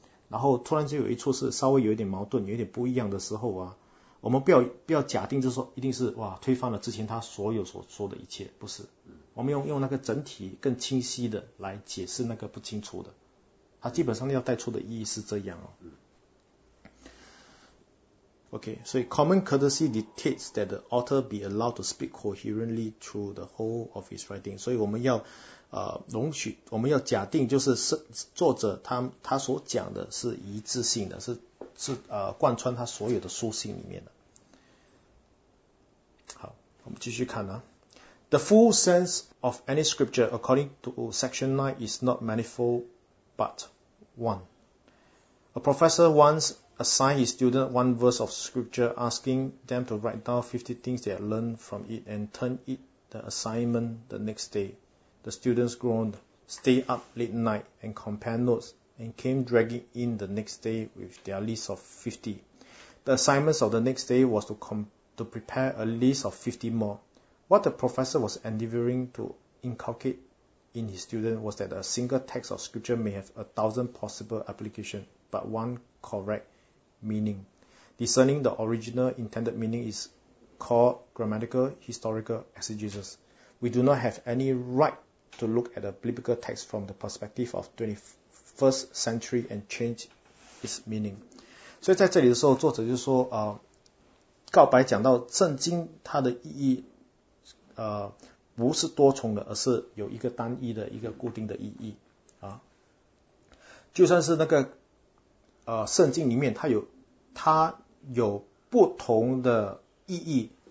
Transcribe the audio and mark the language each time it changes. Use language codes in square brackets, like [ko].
[zh] 然后突然间有一处是稍微有一点矛盾，有一点不一样的时候我们不要假定就是说一定是哇推翻了之前他所有所说的一切，不是，我们用那个整体更清晰的来解释那个不清楚的，它基本上要带出的意义是这样OK, 所以 [en] common courtesy dictates that the author be allowed to speak coherently through the whole of his writing. [zh] 所以我们要容许，我们要假定就是作者他所讲的是一致性的，是贯穿他所有的书信里面的。好，我们继续看 [en] The full sense of any scripture according to section 9 is not manifold but one. A professor onceAssign his student one verse of scripture, asking them to write down 50 things they had learned from it and turn it the assignment the next day. The students groaned, stayed up late night and compared notes and came dragging in the next day with their list of 50. The assignments of the next day was to prepare a list of 50 more. What the professor was endeavoring to inculcate in his student was that a single text of scripture may have 1,000 possible applications, but one correct meaning. Discerning the original intended meaning is called grammatical historical exegesis. We do not have any right to look at a biblical text from the perspective of 21st century and change its meaning. [zh] 所以在这里的时候，作者就说，告白讲到圣经它的意义，不是多重的，而是有一个单一的一个固定的意义，就算是圣经里面它有不同的意义。